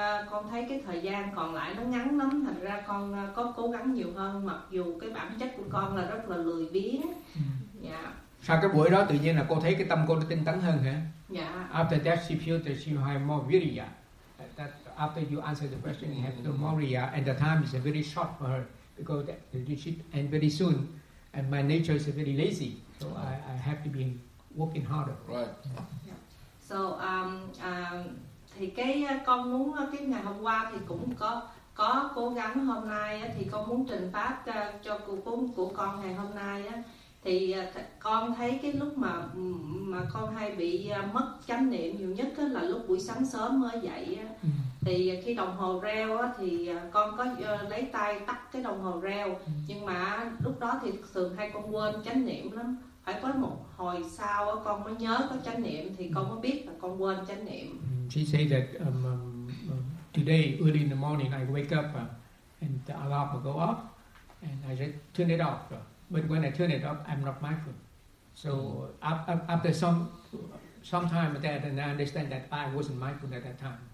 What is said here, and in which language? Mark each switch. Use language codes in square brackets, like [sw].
[vi] Con thấy cái thời gian còn lại nó ngắn lắm, thành ra con có cố gắng nhiều hơn, mặc dù cái bản chất của con là rất là lười biếng. [en] Yeah. [vi] Sau cái buổi đó tự nhiên là cô thấy cái tâm cô nó tinh tấn hơn hả? [en] Yeah. After that she feel that she have more virya. That after you answer the question you have mm-hmm. more virya, and the time is very short for her because that, and very soon, and my nature is very lazy, so I have to be working harder. Right. Yeah. [vi] So thì cái con muốn cái ngày hôm qua thì cũng có cố gắng, hôm nay thì con muốn trình pháp cho của con ngày hôm nay á, thì con thấy cái lúc mà con hay bị mất chánh niệm nhiều nhất là lúc buổi sáng sớm mới dậy á. Thì khi đồng hồ reo á thì con có lấy tay tắt cái đồng hồ reo, nhưng mà lúc đó thì thường hay con quên chánh niệm lắm, phải có một hồi sau á con mới nhớ có chánh niệm thì con mới biết là con quên chánh niệm. [en] She said that today, early in the morning, I wake up and the alarm will go off and I just turn it off. But when I turn it off, I'm not mindful. So after some time that, then I understand that I wasn't mindful at that time.